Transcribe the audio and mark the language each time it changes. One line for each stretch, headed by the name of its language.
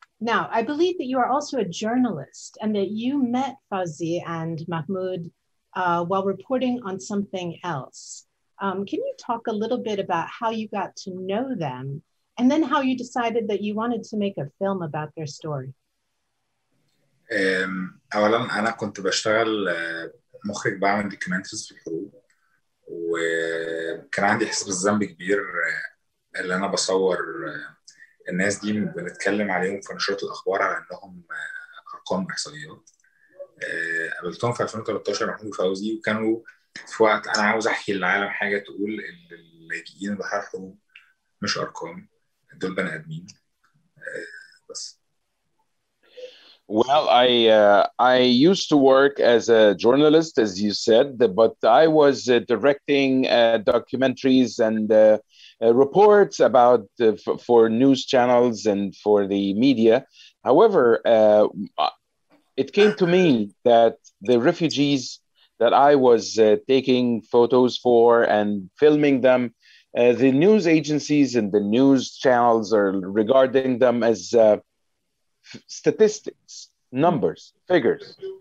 English: Now, I believe that you are also a journalist and that you met Fawzi and Mahmoud while reporting on something else. Can you talk a little bit about how you got to know them and then how you decided that you wanted to make a film about their story?
Arabic: أولاً أنا كنت بشتغل مخرج بعمل دوكيومنتريز في الحروب وكان عندي حس بالذنب كبير اللي انا بصور الناس دي بنتكلم عليهم في نشرات الاخبار على انهم ارقام احصائيات قابلتهم في 2013 محمود فوزي وكانوا في وقت انا عاوز احكي للعالم حاجه تقول اللاجئين بحر حروب مش ارقام دول بني ادمين بس.
English: Well, I used to work as a journalist, as you said, but I was directing documentaries and reports about for news channels and for the media. However, it came to me that the refugees that I was taking photos for and filming them, the news agencies and the news channels are regarding them as statistics, numbers, figures.